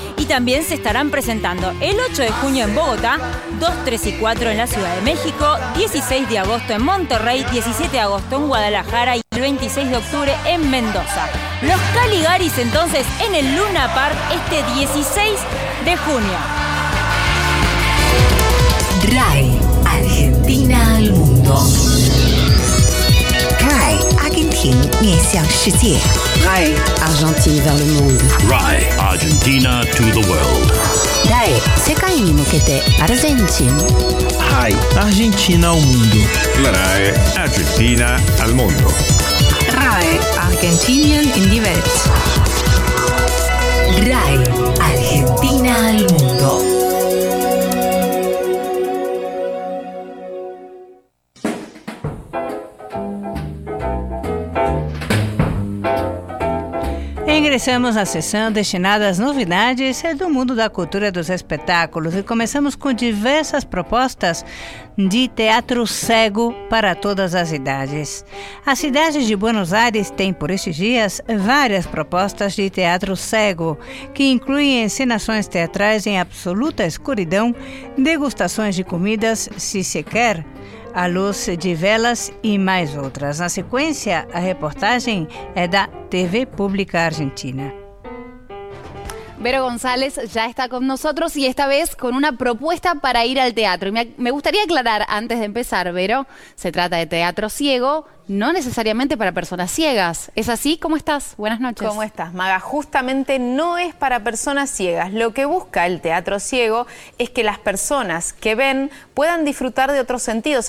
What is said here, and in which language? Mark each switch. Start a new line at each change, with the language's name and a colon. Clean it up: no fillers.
Spanish: Y también se estarán presentando el 8 de junio en Bogotá, 2, 3 y 4 en la Ciudad de México, 16 de agosto en Monterrey, 17 de agosto en Guadalajara y el 26 de octubre en Mendoza. Los Caligaris entonces en el Luna Park este 16 de junio. RAE, Argentina al mundo. RAE, Argentina, hacia el mundo.
French: RAE, Argentina vers le monde.
English: RAE, Argentina to the world.
Japanese: RAE, 世界に向けて Argentina.
Spanish: RAE, Argentina al mundo. RAE, Argentina al mundo.
English: RAE, Argentinian in the world.
Spanish: RAE, Argentina al mundo.
Portuguese: Começamos a sessão destinada às novidades do mundo da cultura e dos espetáculos e começamos com diversas propostas de teatro cego para todas as idades. A cidade de Buenos Aires tem, por estes dias, várias propostas de teatro cego, que incluem encenações teatrais em absoluta escuridão, degustações de comidas, se se quer, à luz de velas e mais outras. Na sequência, a reportagem é da TV Pública Argentina.
Spanish: Vero González ya está con nosotros y esta vez con una propuesta para ir al teatro. Me gustaría aclarar antes de empezar, Vero, se trata de teatro ciego, no necesariamente para personas ciegas. ¿Es así? ¿Cómo estás? Buenas noches. ¿Cómo estás, Maga? Justamente no es para personas ciegas. Lo que busca el teatro ciego es que las personas que ven puedan disfrutar de otros sentidos.